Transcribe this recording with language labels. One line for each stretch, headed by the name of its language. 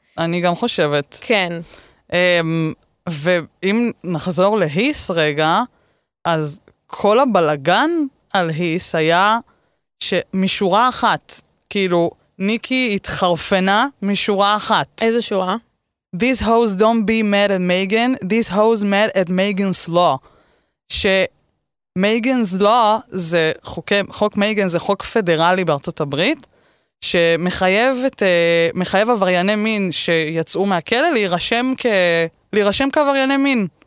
Hebrew: אני גם חושבת. כן. ואם נחזור להיס רגע, אז כל הבלגן על היס היה... שמשורה אחת, כאילו, ניקי התחרפנה משורה אחת. איזה שורה?
English: This hoes don't be mad at Megan, this hoes mad at Megan's law.
Hebrew: שמייגן's law זה חוק מייגן, זה חוק פדרלי בארצות הברית, שמחייב עברייני מין שיצאו מהכלא להירשם כעברייני מין.